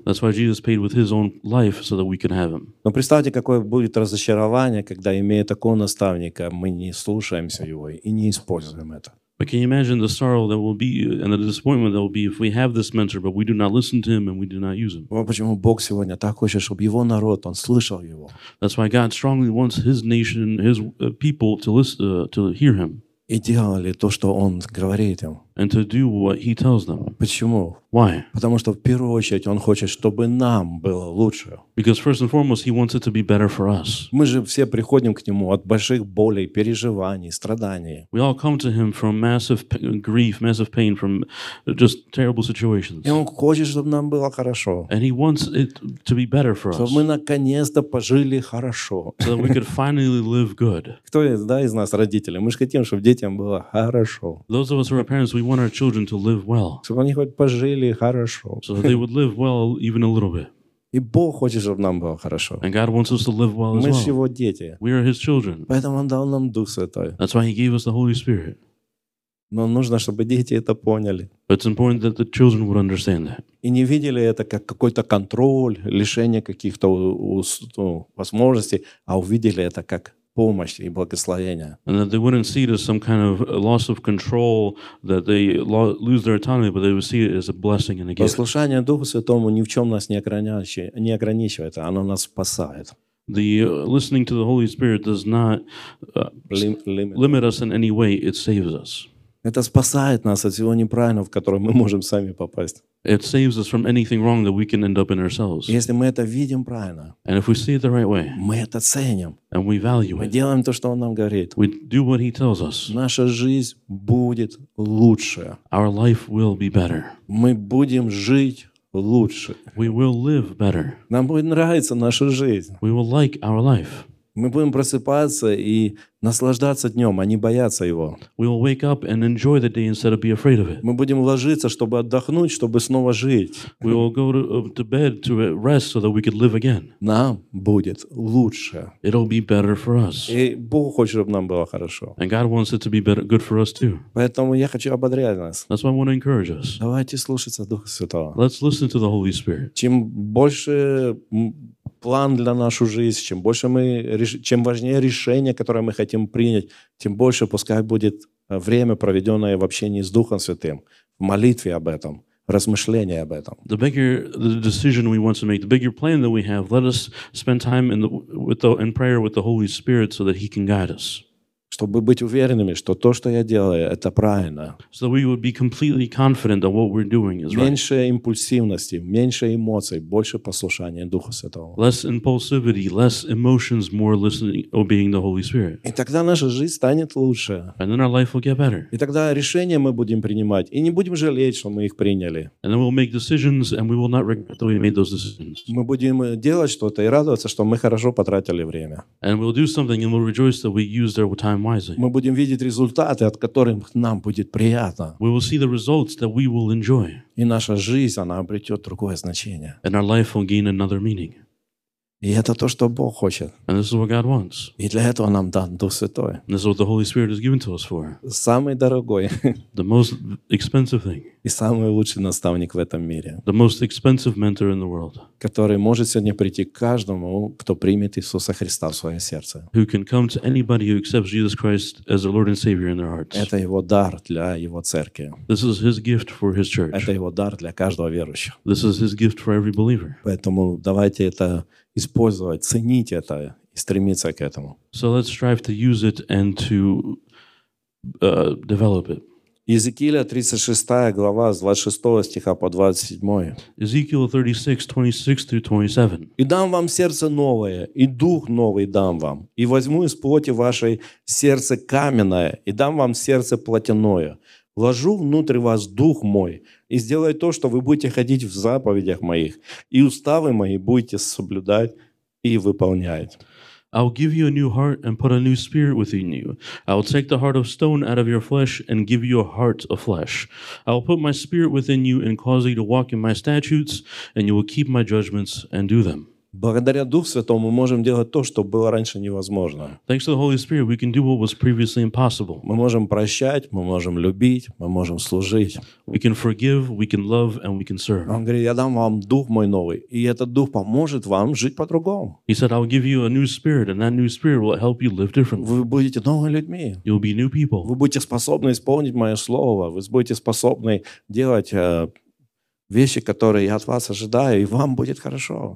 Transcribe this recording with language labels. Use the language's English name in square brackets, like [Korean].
[English] That's why Jesus paid with his own life so that we can have him. [Russian] Но представьте, какое будет разочарование, когда, имея такого наставника, мы не слушаемся его и не используем это. [English] But can you imagine the sorrow that will be and the disappointment that will be if we have this mentor but we do not listen to him and we do not use him? [Russian] Вот почему Бог сегодня так хочет, чтобы его народ, он слышал его. [English] That's why God strongly wants his nation, his people to listen, to hear him. [Russian] И делали то, что он говорит им. [English] And to do what he tells them. [Russian] Почему? [English] Why? [Russian] Потому что в первую очередь он хочет, чтобы нам было лучше. [English] Because first and foremost he wants it to be better for us. [Russian] Мы же все приходим к нему от больших болей, переживаний, страданий. [English] We all come to him from massive grief, massive pain, from just terrible situations. [Russian] И он хочет, чтобы нам было хорошо. [English] And he wants it to be better for [Russian] Чтобы мы наконец-то пожили хорошо. [English] So that we could finally live good. [Russian] Кто из, да, из нас родители? Мы же хотим, чтобы детям было хорошо. [English] Those of us who are parents, we want our children to live well. [Russian] Чтобы они хоть пожили хорошо. [English] So that they would live well even a little bit. [Russian] И Бог хочет, чтобы нам было хорошо. [English] And God wants us to live well as [Russian] Мы [English] well. [Russian] Мы Его дети. [English] We are His children. [Russian] Поэтому Он дал нам Дух Святой. [English] That's why He gave us the Holy Spirit. [Russian] Но нужно, чтобы дети это поняли. [English] But it's important that the children would understand that. [Russian] И не видели это как какой-то контроль, лишение каких-то возможностей, а увидели это как помощь и благословение. [English] And that they wouldn't see it as some kind of loss of control, that they lose their autonomy, but they would see it as a blessing and a gift. [Russian] Послушание Духу Святому ни в чем нас не ограничивает, оно нас спасает. [English] The listening to the Holy Spirit does not limit us in any way, it saves us. [Russian] Это спасает нас от всего неправильного, в которое мы можем сами попасть. [English] It saves us from anything wrong that we can end up in ourselves. [Russian] Если мы это видим правильно, [English] and if we see it the right way, [Russian] мы это ценим, [English] and we value [Russian] мы [English] it, [Russian] делаем то, что Он нам говорит, [English] we do what He tells us, [Russian] наша жизнь будет лучше. [English] Our life will be better. [Russian] Мы будем жить лучше. [English] We will live better. [Russian] Нам будет нравиться наша жизнь. [English] We will like our life. [Russian] Мы будем просыпаться и наслаждаться днем, а не бояться его. [English] We will wake up and enjoy the day instead of be afraid of it. [Russian] Мы будем ложиться, чтобы отдохнуть, чтобы снова жить. [English] We will go to bed to rest so that we could live again. [Russian] Нам будет лучше. [English] It'll be better for us. [Russian] И Бог хочет, чтобы нам было хорошо. [English] And God wants it to be better, good for us too. [Russian] Поэтому я хочу ободрять нас. [English] That's why I want to encourage us. [Russian] Давайте слушаться Духа Святого. [English] Let's listen to the Holy Spirit. [Russian] Чем больше план для нашей жизни, чем больше мы, чем важнее решение, которое мы хотим принять, тем больше пускай будет время, проведенное в общении с Духом Святым, в молитве об этом, в размышлении об этом. [English] The bigger the decision we want to make, the bigger plan that we have, let us spend time in prayer with the Holy Spirit so that He can guide us. [Russian] Чтобы быть уверенными, что то, что я делаю, это правильно. [English] So we would be completely confident that what we're doing is [Russian] меньше [English] right. [Russian] Импульсивности, меньше эмоций, больше послушания Духа Святого. [English] Less impulsivity, less emotions, more listening, obeying the Holy Spirit. [Russian] И тогда наша жизнь станет лучше. [English] And then our life will get better. [Russian] И тогда решения мы будем принимать, и не будем жалеть, что мы их приняли. [English] And then we'll make decisions, and we will not regret that we made those decisions. [Russian] Мы будем делать что-то и радоваться, что мы хорошо потратили время. [English] And we'll do something, and we'll rejoice that we used our time. [Russian] Мы будем видеть результаты, от которых нам будет приятно. [English] We will see the results that we will enjoy. [Russian] И наша жизнь, она обретет другое значение. [English] And our life will gain another meaning. [Russian] И это то, что Бог хочет. [English] And this is what God wants. [Russian] И для этого нам дан Дух Святой. [English] And this is what the Holy Spirit has given to us for. [Russian] Самый дорогой. [English] The most expensive thing. [Russian] И самый лучший наставник в этом мире. [English] The most expensive mentor in the world. [Russian] Который может сегодня прийти к каждому, кто примет Иисуса Христа в свое сердце. [English] Who can come to anybody who accepts Jesus Christ as their Lord and Savior in their hearts. [Russian] Это его дар для его церкви. [English] This is his gift for his church. [Russian] Это его дар для каждого верующего. [English] This is his gift for every believer. [Russian] Поэтому давайте это использовать, ценить это и стремиться к этому. [English] So let's strive to use it and to develop it. [Russian] Иезекииля 36 глава с 26 стиха по 27. [English] Ezekiel 36, 26 through 27. [Russian] «И дам вам сердце новое, и дух новый дам вам, и возьму из плоти вашей сердце каменное, и дам вам сердце плотяное. Вложу внутрь вас дух мой, и сделаю то, что вы будете ходить в заповедях моих, и уставы мои будете соблюдать и выполнять». [English] I'll give you a new heart and put a new spirit within you. I'll take the heart of stone out of your flesh and give you a heart of flesh. I'll put my spirit within you and cause you to walk in my statutes, and you will keep my judgments and do them. [Russian] Благодаря Духу Святому мы можем делать то, что было раньше невозможно. [English] Thanks to the Holy Spirit, we can do what was previously impossible. [Russian] Мы можем прощать, мы можем любить, мы можем служить. [English] We can forgive, we can love, and we can serve. [Russian] Он говорит, я дам вам Дух мой новый, и этот Дух поможет вам жить по-другому. [English] He said, I'll give you a new spirit, and that new spirit will help you live differently. [Russian] Вы будете новыми людьми. [English] You'll be new people. [Russian] Вы будете способны исполнить мое слово, вы будете способны делать вещи, которые я от вас ожидаю, и вам будет хорошо.